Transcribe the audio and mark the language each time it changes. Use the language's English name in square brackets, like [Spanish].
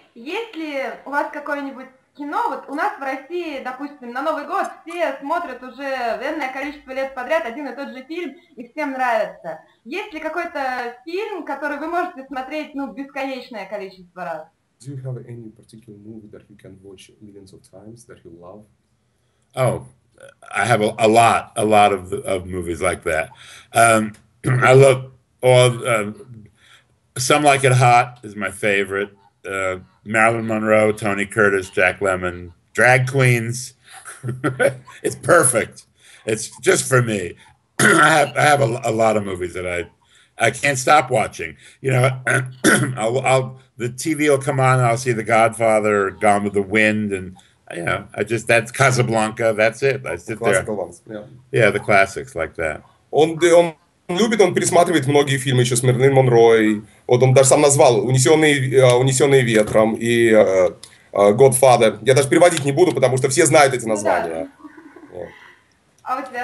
[Russian] Есть ли у вас какое-нибудь кино? Вот у нас в России, допустим, на Новый год все смотрят уже энное количество лет подряд один и тот же фильм, и всем нравится. Есть ли какой-то фильм, который вы можете смотреть, ну, бесконечное количество раз? [English] Do you have any particular movie that you can watch millions of times that you love? Oh, I have a lot of movies like that. I love all Some Like It Hot is my favorite. Marilyn Monroe, Tony Curtis, Jack Lemmon, drag queens. It's perfect. It's just for me. I have a lot of movies that I can't stop watching. You know, the TV will come on and I'll see The Godfather or Gone with the Wind, and you know, I just that's Casablanca. That's it. I sit there. Classical ones. Yeah. Yeah, the classics like that. [Russian] Он любит, он пересматривает многие фильмы, еще с Мерлин Монро, вот он даже сам назвал «Унесенные ветром» и «Godfather». Я даже переводить не буду, потому что все знают эти названия. Да. Вот. А у тебя